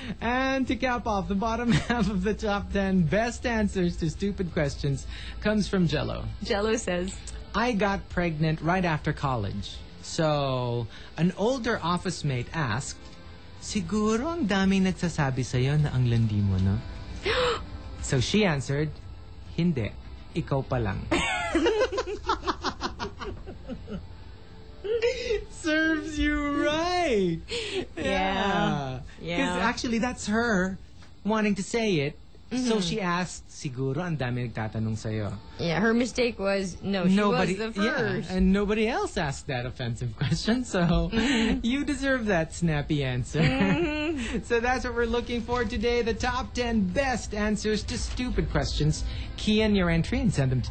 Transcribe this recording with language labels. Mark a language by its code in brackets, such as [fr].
[en] And to cap off, the bottom half of the top 10 best answers to stupid questions comes from Jello. Jello says, I got pregnant right after college. So, an older office mate asked, [tl] siguro ang dami nagsasabi sa'yo na ang landi mo, no? [en] So she answered, [tl] hindi, ikaw pa lang. [en] Serves you right. Yeah. Because actually, that's her wanting to say it. Mm-hmm. So she asked, [tl] siguro ang dami nagtatanong sa'yo. [en] Yeah, her mistake was, no, she nobody, was the first. Yeah, and nobody else asked that offensive question. So you deserve that snappy answer. Mm-hmm. So that's what we're looking for today. The top 10 best answers to stupid questions. Key in your entry and send them to